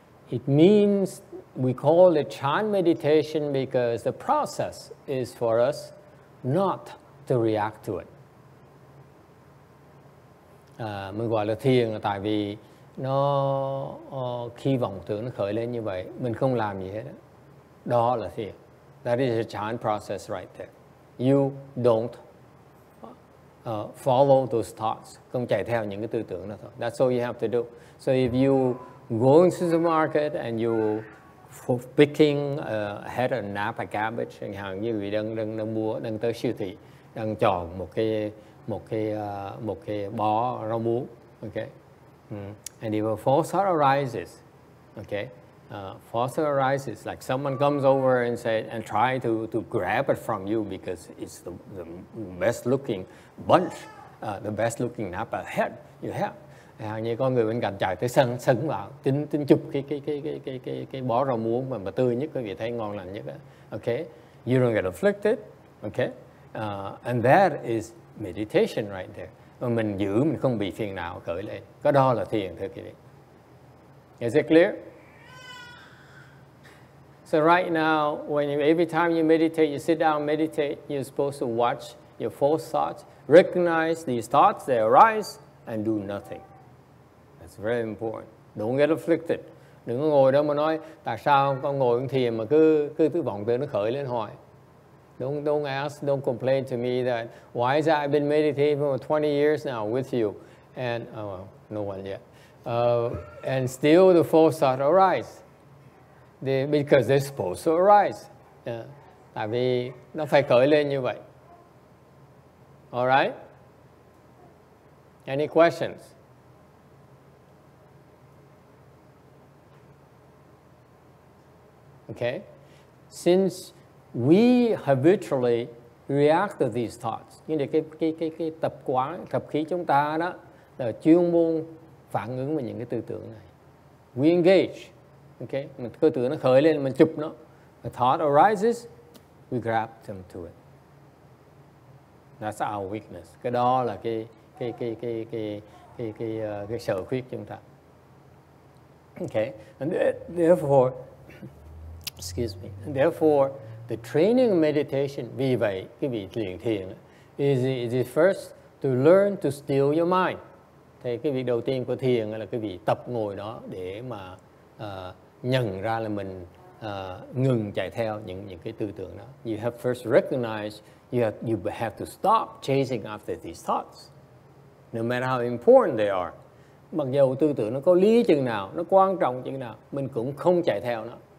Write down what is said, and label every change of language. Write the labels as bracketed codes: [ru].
[en] It means we call it chan meditation because the process is for us not to react to it. [vi] Mình gọi là thiền là tại vì nó khi vọng tưởng nó khởi lên như vậy, mình không làm gì hết. Đó là thiền. [en] That is a chan process right there. You don't follow those thoughts. [vi] Không chạy theo những cái tư tưởng đó thôi. [en] That's all you have to do. So if you go into the market and you picking a head of napa cabbage, [vi] chẳng hạn như vị đang mua, đang tới siêu thị, đang chọn một cái bó rau muống, okay. [en] And if a false thought arises, okay, false thought arises, like someone comes over and say and try to grab it from you because it's the best looking bunch, the best looking napa head you have. [vi] Hàng như con người bên cạnh chạy tới sân vào tính chụp cái bó rau muống mà tươi nhất, quý vị thấy ngon lành nhất đó. [en] Okay, you don't get afflicted, okay, and that is meditation right there. [vi] Mình giữ mình không bị phiền não khởi lên, có đó là thiền thưa quý vị. [en] Is it clear? So right now, when you, every time you meditate, you sit down and meditate, you're supposed to watch your four thoughts, recognize these thoughts they arise and do nothing. It's very important. Don't get afflicted. [vi] Đừng có ngồi đó mà nói tại sao con ngồi con thiền mà cứ tư vọng tưởng nó khởi lên hoài. [en] Don't complain to me that why is that I've been meditating for 20 years now with you and no one yet. And still the false thought arise. because they're supposed to arise. Yeah. [vi] Tại vì nó phải khởi lên như vậy. [en] All right? Any questions? Okay. Since we habitually react to these thoughts, [vi] như là cái tập quán, tập khí chúng ta đó là chuyên môn phản ứng với những cái tư tưởng này. [en] We engage. Okay, [vi] mình tư tưởng nó khởi lên mình chụp nó. [en] A thought arises, we grab them to it. That's our weakness. [vi] Cái đó là cái sở khuyết chúng ta. [en] Okay, and therefore, excuse me. And therefore, the training of meditation, [vi] vì vậy cái vị luyện thiền, [en] is first to learn to still your mind. [vi] Thì cái việc đầu tiên của thiền là cái vị tập ngồi đó để mà nhận ra là mình ngừng chạy theo những cái tư tưởng đó. [en] You have first recognized you have to stop chasing after these thoughts, no matter how important they are. [vi] Mặc dù tư tưởng nó có lý chừng nào, nó quan trọng chừng nào, mình cũng không chạy theo nó.